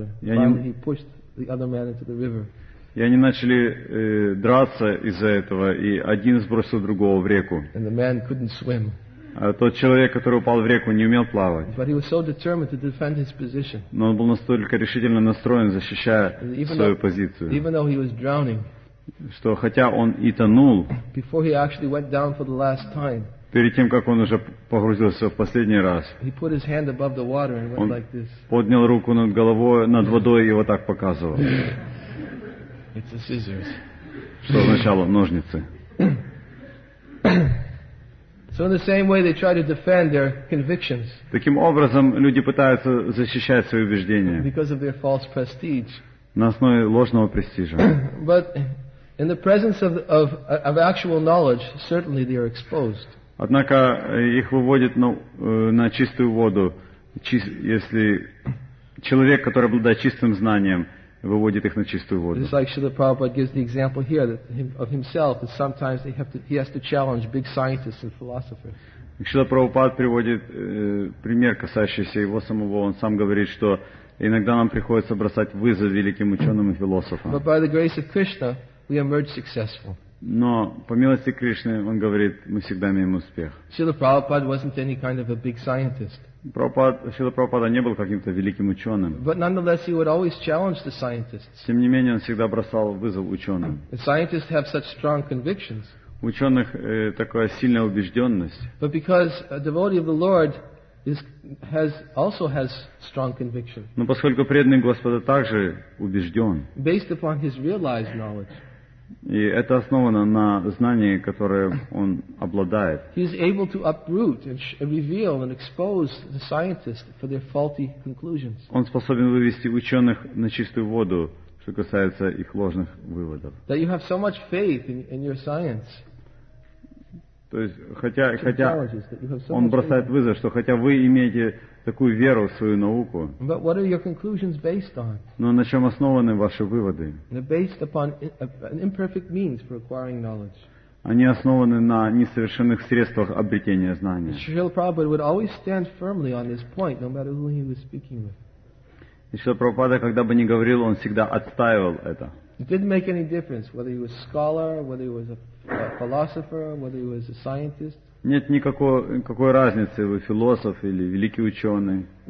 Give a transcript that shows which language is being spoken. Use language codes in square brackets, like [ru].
[ru] И они начали драться из-за этого, и один сбросил другого в реку. [en] And the man couldn't swim. [ru] А тот человек, который упал в реку, не умел плавать. [en] But he was so determined to defend his position. [ru] Но он был настолько решительно настроен, защищая свою позицию. [en] Even though he was drowning, [ru] что хотя он и тонул, [en] before he actually went down for the last time, [ru] перед тем, как он уже погрузился в последний раз, [en] he put his hand above the water and went like this. [ru] Поднял руку над головой, над водой и вот так показывал. [en] It's a scissors. [ru] Что означало ножницы. [en] So in the same way they try to defend their convictions. [ru] Таким образом люди пытаются защищать свои убеждения. [en] Because of their false prestige. [ru] На основе ложного престижа. [en] But in the presence of actual knowledge, certainly they are exposed. [ru] Однако их выводят на чистую воду, если человек, который обладает чистым знанием, выводит их на чистую воду. [en] It's like Srila Prabhupada gives the example here that of himself that sometimes he has to challenge big scientists and philosophers. [ru] Srila Prabhupada приводит пример, касающийся его самого. Он сам говорит, что иногда нам приходится бросать вызов великим ученым и философам. [en] But by the grace of Krishna, we emerge successful. [ru] Но по милости Кришны, он говорит, мы всегда имеем успех. [en] Srila Prabhupada wasn't any kind of a big scientist. [ru] Шрила Прабхупада не был каким-то великим ученым. [en] But nonetheless, he would always challenge the scientists. [ru] Тем не менее, он всегда бросал вызов ученым. [en] The scientists have such strong convictions. [ru] У ученых такая сильная убежденность. [en] But because a devotee of the Lord has strong convictions. [ru] Но поскольку преданный Господа также убежден. [en] Based upon his realized knowledge. [ru] И это основано на знании, которое он обладает. [en] He is able to uproot and reveal and expose the scientists for their faulty conclusions. [ru] Он способен вывести ученых на чистую воду, что касается их ложных выводов. [en] That you have so much faith in your science. [ru] То есть, хотя он бросает вызов, что хотя вы имеете такую веру в свою науку, [en] but what are your conclusions based on? [ru] Но на чем основаны ваши выводы? [en] They're based upon an imperfect means for acquiring knowledge. [ru] Они основаны на несовершенных средствах обретения знания. [en] Шрила Прабхупада would always stand firmly on this point, no matter who he was speaking with. [ru] И Шрила Прабхупада, когда бы ни говорил, он всегда отстаивал это. [en] It didn't make any difference whether he was a scholar, whether he was a philosopher, whether he was a scientist. [ru] Нет никакой разницы, вы философ или великий ученый.